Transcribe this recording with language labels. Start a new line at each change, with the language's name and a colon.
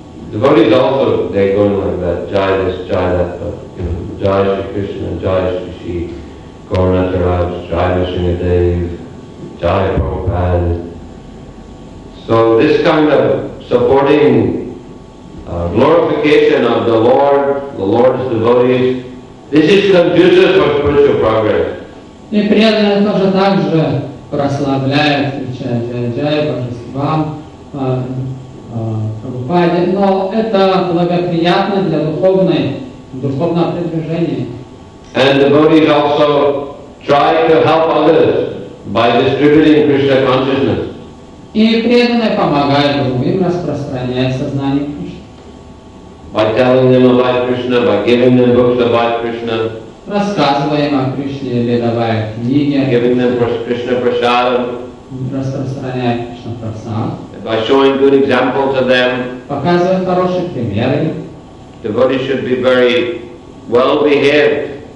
English: Devotees also, they go like that, Jai this, Jai that, but, you know, Jai Shri Krishna, Jai Shri Shri, Gauranataraj, Jai Vishnadev, Jai Prabhupada. So this kind of supporting glorification of the Lord's devotees, this is conducive for spiritual progress.
Russian: И преданные тоже так же прославляют, включая Джай, Божествам, Прабхупаде, но это благоприятно для духовного продвижения.
English: And devotees also try to help others by distributing Krishna consciousness.
Russian: И преданные помогают другим распространять сознание Кришны.
English: By telling them about Krishna, by giving them books about Krishna.
Russian: Рассказываем о Кришне или давая книги.
English: Giving them Krishna prasadam.
Russian: Распространяя Кришна прасад.
English: By showing good example to them.
Russian: Показывая хорошие примеры.
English: Devotees should be very well behaved.